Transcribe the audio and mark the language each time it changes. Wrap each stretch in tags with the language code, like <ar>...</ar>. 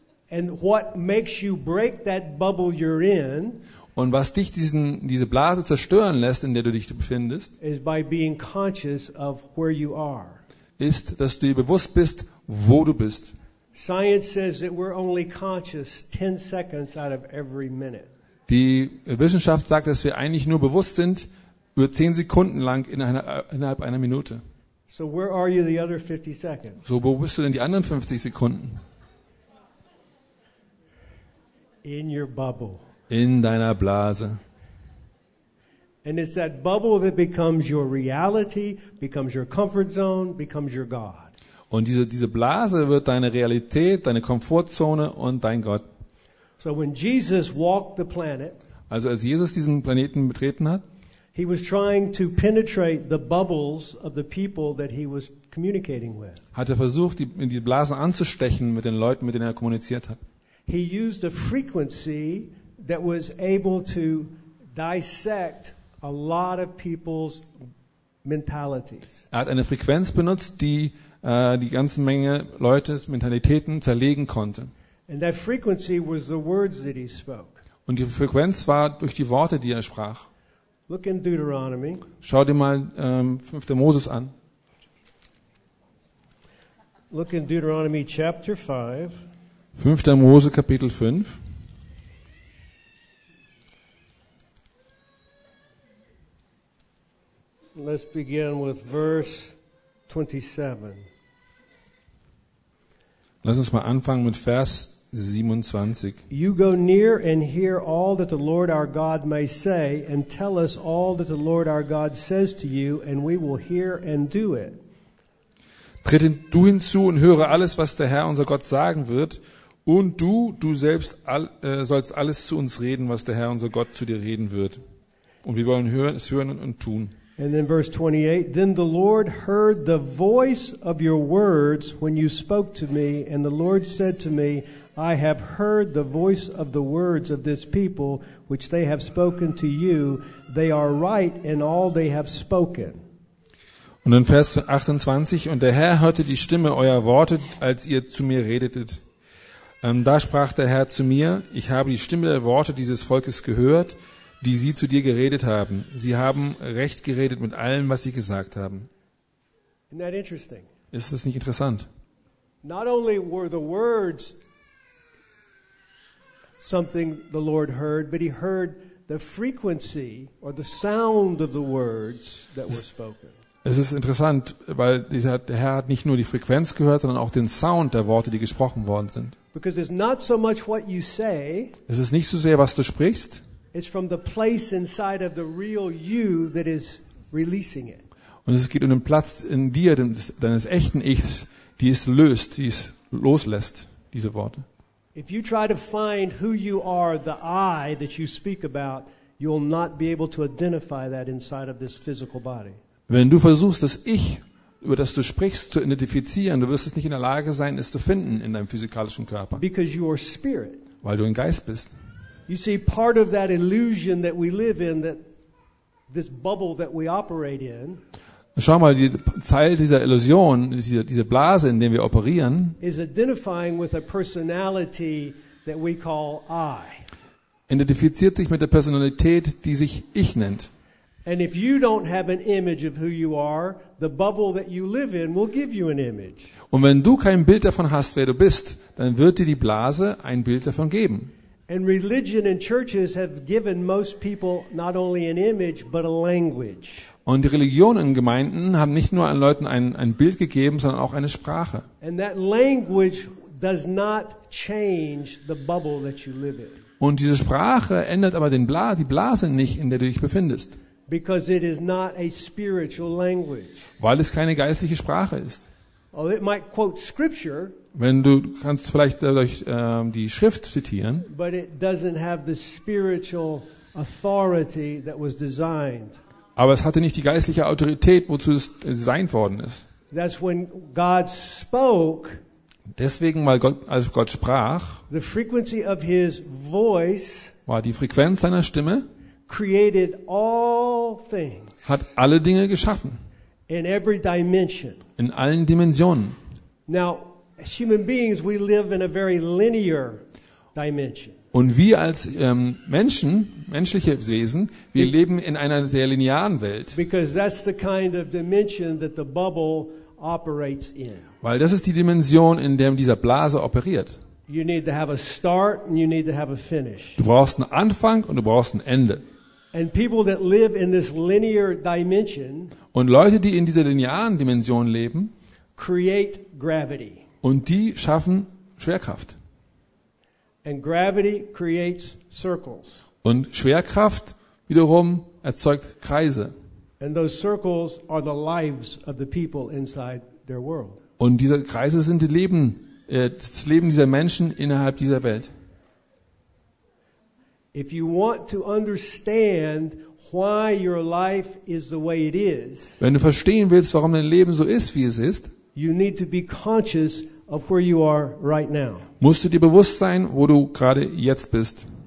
<en>And what makes you break that bubble you're in?</en> <de>Und was dich diese Blase zerstören lässt, in der du dich befindest,</de> <en>is by being conscious of where you are.</en> <de>Ist, dass du dir bewusst bist, wo du bist.</de> <en>Science says that we're only conscious 10 seconds out of every minute.</en> <de>Die Wissenschaft sagt, dass wir eigentlich nur bewusst sind über 10 Sekunden lang innerhalb einer Minute.</de> <en>So where are you the other 50 seconds?</en> <de>So wo bist du denn die anderen 50 Sekunden?</de> <en>In your bubble.</en> <de>In deiner Blase.</de> <en>And it's that bubble that becomes your reality, becomes your comfort zone, becomes your God.</en> <de>Und diese Blase wird deine Realität, deine Komfortzone und dein Gott.</de> <en>So when Jesus walked the planet,</en> <de>also als Jesus diesen Planeten betreten hat,</de> <en>he was trying to penetrate the bubbles of the people that he was communicating with.</en> <de>Hat er versucht, die Blasen anzustechen mit den Leuten, mit denen er kommuniziert hat.</de> <en>He used a frequency that was able to dissect a lot of people's mentalities.</en> <de>Er hat eine Frequenz benutzt, die die ganze Menge Leutes Mentalitäten zerlegen konnte.</de> <en>And that frequency was the words that he spoke.</en> <de>Und die Frequenz war durch die Worte, die er sprach.</de> <en>Look in Deuteronomy.</en> <de>Schau dir mal 5. Moses an.</de> <en>Look in Deuteronomy chapter 5.</en> <de>5. Mose Kapitel 5.</de> <en>Let's begin with verse 27.</en> <de>Lass uns mal anfangen mit Vers 27.</de> <en>You go near and hear all that the Lord our God may say, and tell us all that the Lord our God says to you, and we will hear and do it.</en> <de>Tritt du hinzu und höre alles, was der Herr unser Gott sagen wird, und du selbst sollst alles zu uns reden, was der Herr unser Gott zu dir reden wird. Und wir wollen es hören und tun.</de> <en>And then verse 28, then the Lord heard the voice of your words when you spoke to me, and the Lord said to me, I have heard the voice of the words of this people, which they have spoken to you. They are right in all they have spoken.</en> <de>Und in Vers 28, und der Herr hörte die Stimme eurer Worte, als ihr zu mir redetet. Da sprach der Herr zu mir, ich habe die Stimme der Worte dieses Volkes gehört, die sie zu dir geredet haben. Sie haben recht geredet mit allem, was sie gesagt haben.</de> <en>Isn't that interesting?</en> <de>Ist das nicht interessant?</de> <en>Not only were the words something the Lord heard, but he heard the frequency or the sound of the words that were spoken.</en> <de>Es ist interessant, weil der Herr hat nicht nur die Frequenz gehört, sondern auch den Sound der Worte, die gesprochen worden sind.</de> <en>Because it's not so much what you say.</en> <de>Es ist nicht so sehr, was du sprichst.</de> <en>It's from the place inside of the real you that is releasing it.</en> <de>Und es geht um den Platz in dir, deines echten Ichs, die es löst, die es loslässt, diese Worte.</de> <en>If you try to find who you are, the I that you speak about, you'll not be able to identify that inside of this physical body.</en> <de>Wenn du versuchst, das Ich, über das du sprichst, zu identifizieren, du wirst es nicht in der Lage sein, es zu finden in deinem physikalischen Körper.</de> <en>Because you are spirit.</en> <de>Weil du ein Geist bist.</de> <en>You see, part of that illusion that we live in, that this bubble that we operate in.</en> <de>Schau mal, Teil dieser Illusion, diese Blase, in der wir operieren,</de> <en>is identifying with a personality that we call I.</en> <de>Identifiziert sich mit der Personalität, die sich Ich nennt.</de> <en>And if you don't have an image of who you are, the bubble that you live in will give you an image.</en> <de>Und wenn du kein Bild davon hast, wer du bist, dann wird dir die Blase ein Bild davon geben.</de> <en>And religion and churches have given most people not only an image, but a language.</en> <de>Und die Religionen und Gemeinden haben nicht nur an Leuten ein Bild gegeben, sondern auch eine Sprache.</de> <en>And that language does not change the bubble that you live in.</en> <de>Und diese Sprache ändert aber die Blase nicht, in der du dich befindest.</de> <en>Because it is not a spiritual language.</en> <de>Weil es keine geistliche Sprache ist.</de> <en>Well, it might quote scripture,</en> <de>wenn du kannst vielleicht dadurch die Schrift zitieren,</de> <en>but it doesn't have the spiritual authority that was designed.</en> <de>Aber es hatte nicht die geistliche Autorität, wozu es designt worden ist.</de> <en>That's when God spoke,</en> <de>deswegen, weil Gott, als Gott sprach,</de> <en>the frequency of his voice,</en> <de>war die Frequenz seiner Stimme,</de> <en>created all</en> <de>hat alle Dinge geschaffen.</de> <en>In every dimension.</en> <de>In allen Dimensionen.</de> <en>Now, as human beings, we live in a very linear dimension.</en> <de>Und wir als Menschen, menschliche Wesen, wir leben in einer sehr linearen Welt.</de> <en>Because that's the kind of dimension that the bubble operates in.</en> <de>Weil das ist die Dimension, in der dieser Blase operiert.</de> <en>You need to have a start and you need to have a finish.</en> <de>Du brauchst einen Anfang und du brauchst ein Ende.</de> <en>And people that live in this linear dimension,</en> <de>und Leute, die in dieser linearen Dimension leben,</de> <en>create gravity.</en> <de>Und die schaffen Schwerkraft.</de> <en>And gravity creates circles.</en> <de>Und Schwerkraft wiederum erzeugt Kreise.</de> <en>And those circles are the lives of the people inside their world.</en> <de>Und diese Kreise sind die Leben, das Leben dieser Menschen innerhalb dieser Welt.</de> <en>If you want to understand why your life is the way it is,</en> <de>wenn du verstehen willst, warum dein Leben so ist, wie es ist,</de> <en>you need to be conscious of where you are right now.</en> <de>Musst du dir bewusst sein, wo du gerade jetzt bist.</de>